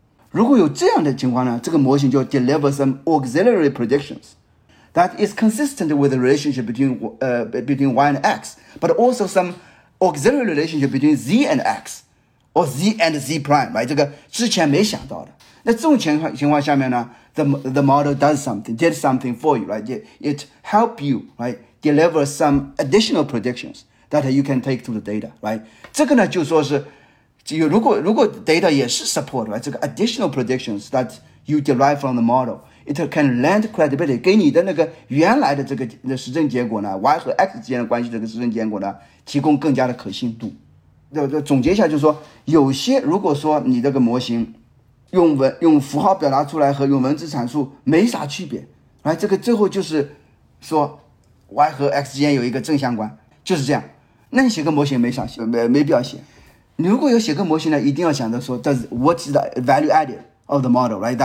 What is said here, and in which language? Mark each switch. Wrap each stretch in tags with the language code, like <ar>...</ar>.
<zh>如果有这样的情况呢，这个模型就</zh> <en>deliver some auxiliary predictionsThat is consistent with the relationship between Y and X, but also some auxiliary relationship between Z and X, or Z and Z prime, right?</en> <zh>这个之前没想到的。那这种情况下面呢</zh> <en>the model does something, did something for you, right? It help you, right? Deliver some additional predictions that you can take to the data, right?</en> <zh>这个呢就说是如果 data 也是 support 这个</zh> <en>additional predictions that you derive from the model, it can lend credibility</en> <zh>给你的那个原来的这个的实证结果呢 ，y 和 x 之间的关系这个实证结果呢，提供更加的可信度。总结一下就是说，有些如果说你这个模型用符号表达出来和用文字阐述没啥区别，来这个最后就是说 y 和 x 之间有一个正相关，就是这样。那你写个模型没必要写。你如果有写个模型呢，一定要想着说</zh> <en>what is the value added of the model, right?</en>